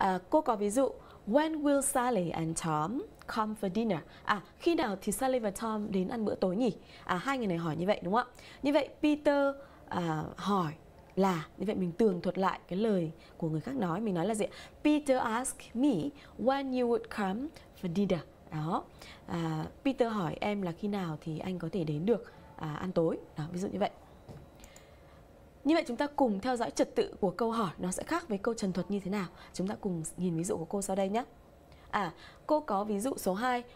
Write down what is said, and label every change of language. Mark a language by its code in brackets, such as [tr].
[vi] Cô có ví dụ [en] when will Sally and Tom come for dinner? [vi] À, khi nào thì Sally và Tom đến ăn bữa tối nhỉ? À, hai người này hỏi như vậy đúng không ạ? Như vậy Peter hỏi là, như vậy mình tường thuật lại cái lời của người khác nói, mình nói là gì? [en] Peter asked me when you would come for dinner. [vi] Đó. Peter hỏi em là khi nào thì anh có thể đến được ăn tối. Đó, ví dụ như vậy. Như vậy chúng ta cùng theo dõi trật tự của câu hỏi, nó sẽ khác với câu trần thuật như thế nào. Chúng ta cùng nhìn ví dụ của cô sau đây nhé. À, cô có ví dụ số 2.